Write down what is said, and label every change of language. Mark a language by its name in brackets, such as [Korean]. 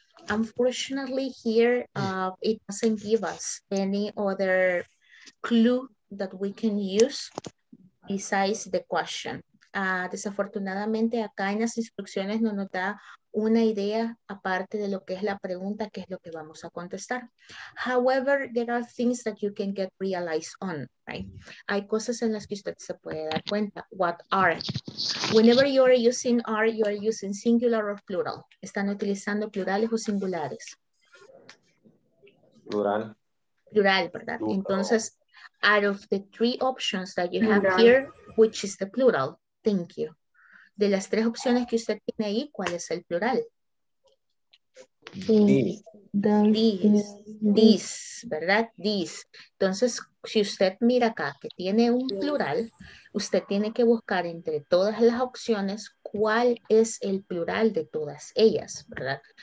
[English] Unfortunately, here it doesn't give us any other clue that we can use besides the question. [Spanish] Desafortunadamente, acá en las instrucciones no nos da una idea aparte de lo que es la pregunta, que es lo que vamos a contestar. [English] However, there are things that you can get realized on, right? [Spanish] Hay cosas en las que usted se puede dar cuenta. [English] What are? Whenever you are using are, you are using singular or plural. [Spanish] ¿Están utilizando plurales o singulares? Plural. Plural, ¿verdad? Plural. [English] Entonces, out of the three options that you have plural here, which is the plural? Thank you. [Spanish] De las tres opciones que usted tiene ahí, ¿cuál es el plural? [English] These, [Spanish] ¿verdad? These. Entonces, si usted mira acá que tiene un plural, usted tiene que buscar entre todas las opciones cuál es el plural de todas ellas, ¿verdad?